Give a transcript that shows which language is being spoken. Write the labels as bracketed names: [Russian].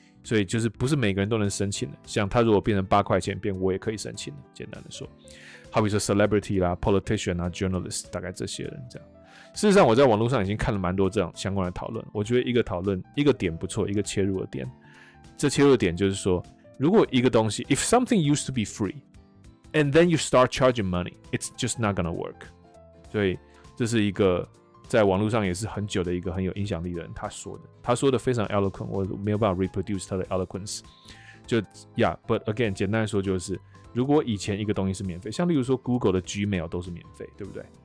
[Chinese] 所以就是不是每个人都能申请的，像他如果变成八块钱，变我也可以申请的。简单的说，好比说 celebrity 啦、politician 啊、journalist， 大概这些人这样。事实上，我在网络上已经看了蛮多这样相关的讨论。我觉得一个讨论一个点不错，一个切入的点。这切入的点就是说，如果一个东西 [English] ，if something used to be free， and then you start charging money， it's just not gonna work。 [Chinese] 所以这是一个在网络上也是很久的一个很有影响力的人他说的。他说的非常 eloquent， 我没有办法 reproduce 他的 eloquence。就 [English] yeah， but again， [Chinese] 简单来说就是，如果以前一个东西是免费，像例如说 Google 的 Gmail 都是免费，对不对？